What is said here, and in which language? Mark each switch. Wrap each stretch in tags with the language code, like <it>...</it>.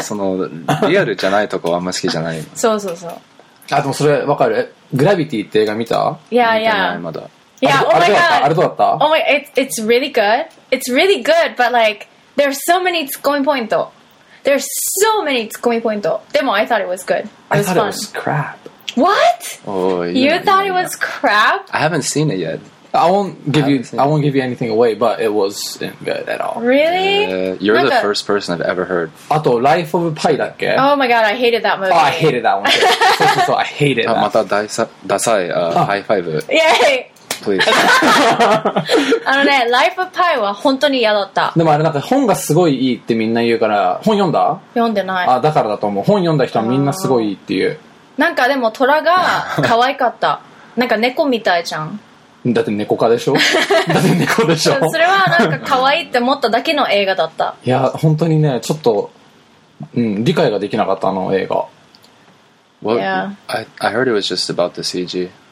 <ja>そのリアルじゃないとこはあんま好きじゃない。そうそうそう。あ、でもそれわかる。グラビティって映画見た？いやいや。まだ。いや、あれどうだった？あれどうだった</ja> <en>？Oh my, it's really good. It's really good, but like there are so many ツッコミポイント。 There's so many ツッコミポイント。でも I thought it was good. It was I thought it was crap. What? Oh, you thought it was crap? I haven't seen it yet. I won't give you anything away, but it wasn't good at all. Really? You're the first person I've ever heard.</en> <ja>あと Life of Pi だっけ？</ja> <en>Oh my god, I hated that movie. Oh, I hated that one. So I hated that.</en> <ja>またダサい high five.</ja> <en>Yay! Please.</en> <ja>あのね、Life of Pi は本当に嫌だった。でもあれなんか本がすごいいいってみんな言うから、本読んだ？読んでない。あ、だからだと思う。本読んだ人はみんなすごいいいっていう。なんかでも虎が可愛かった。なんか猫みたいじゃん。だって猫科でしょ？だって猫でしょ？それはなんか可愛いって思っただけの映画だった。いや、本当にね、ちょっと、うん、理解ができなかったあの映画。</ja> <en>What? Yeah. I heard it was just about the CG.</en>